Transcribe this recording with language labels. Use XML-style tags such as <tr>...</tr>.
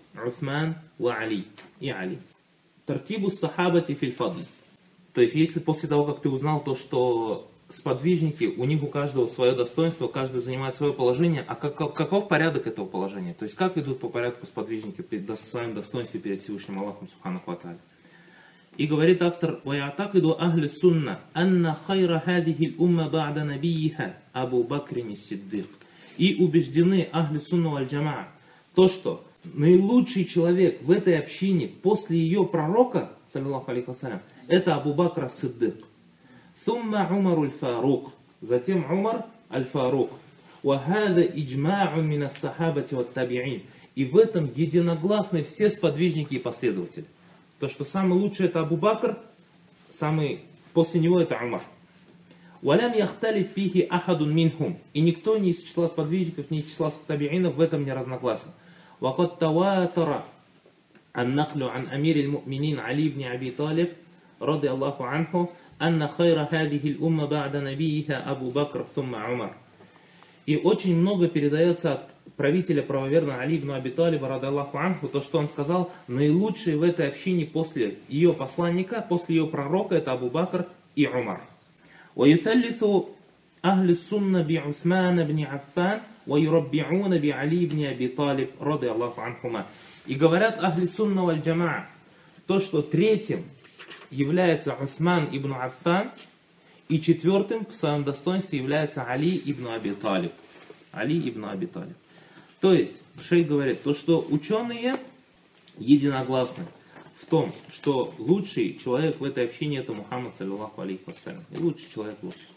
<ar>Усман ва Али и Али. Тартибу сахабати фил фадль.</ar> <ru>То есть, если после того, как ты узнал то, что сподвижники, у них у каждого свое достоинство, каждый занимает свое положение, а каков порядок этого положения? То есть, как идут по порядку сподвижники перед своим достоинством перед Всевышним Аллахом Субханаху ва Тааля? И говорит автор:</ru> <ar>ويعتقد أهل السنة أن خير هذه الأمة بعد نبيها أبو بكر الصديق.</ar> <ru>И убеждены Ахли Сунна валь Джамаа, то, что наилучший человек в этой общине после ее пророка, саллиллаху алейхи ва саллям, это Абу Бакр ас-Сиддик.</ru> <ar>Сумма</ar> <ru>Умар аль-Фарук. Затем Умар аль-Фарук.</ru> <ar>Ва хаза иджмау мин ас-сахабати ват-табиин.</ar> <ru>И в этом единогласны все сподвижники и последователи. То, что самый лучший это Абу Бакр, самый после него это Умар.</ru> <ar>وَلَمْ يَخْتَلِفْ فِيهِ أَحَدٌ مِنْهُمْ.</ar> <ru>И никто не из числа сподвижников, не из числа табиинов в этом не разногласен.</ru> <ar>وَقَدْ تَوَاتَرَ النَّقْلُ عَنْ أَمِيرِ الْمُؤْمِنِينَ عَلِي بْنِ أَبِي طَالِبَ رضي الله عنه أَنَّ خَيْرَ هَذِهِ الْأُمَّةِ بَعْدَ نَبِيِّهَا أَبُو بَكْرَ ثُمَّ عُمَرَ.</ar> <ru>И очень много передается от правителя правоверного Али ибн Аби Талиба, ради Аллаху Анху, то, что он сказал, наилучшие в этой общине после ее посланника, после ее пророка, это Абу Бакр и Умар.</ru> <ar>ويثلث أهل السنة بعثمان بن عفان ويربعون بعلي بن أبي طالب رضي الله عنهما.</ar> <ru>И говорят</ru> <ar>أهل السنة والجماعة,</ar> <ru>то, что третьим является Усман ибн Аффан, и четвертым в своем достоинстве является Али ибн Аби Талиб. Али ибн Аби Талиб. То есть, шейх говорит, то, что ученые единогласны в том, что лучший человек в этой общине это Мухаммад, саллиллаху алейхи вассалям. И лучший человек лучше.</ru>